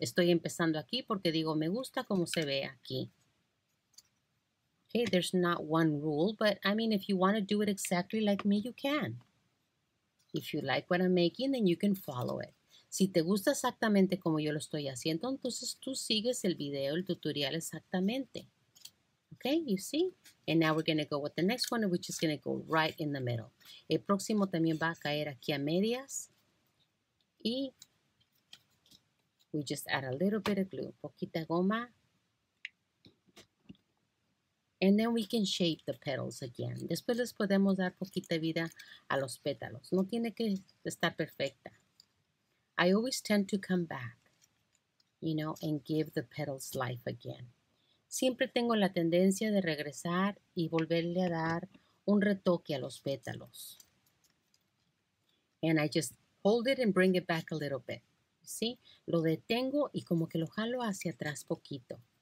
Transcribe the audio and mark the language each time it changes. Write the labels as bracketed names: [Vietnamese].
[Spanish] Estoy empezando aquí porque digo, me gusta cómo se ve aquí. [English] Okay, there's not one rule, but I mean, if you want to do it exactly like me, you can. If you like what I'm making, then you can follow it. [Spanish] Si te gusta exactamente como yo lo estoy haciendo, entonces tú sigues el video, el tutorial exactamente. [English] Okay, you see? And now we're going to go with the next one, which is going to go right in the middle. [Spanish] El próximo también va a caer aquí a medias. [English] Y we just add a little bit of glue, [Spanish] poquita goma. [English] And then we can shape the petals again. [Spanish] Después les podemos dar poquita vida a los pétalos. No tiene que estar perfecta. [English] I always tend to come back, you know, and give the petals life again. [Spanish] Siempre tengo la tendencia de regresar y volverle a dar un retoque a los pétalos. [English] And I just hold it and bring it back a little bit. [Spanish] ¿Sí? Lo detengo y como que lo jalo hacia atrás poquito.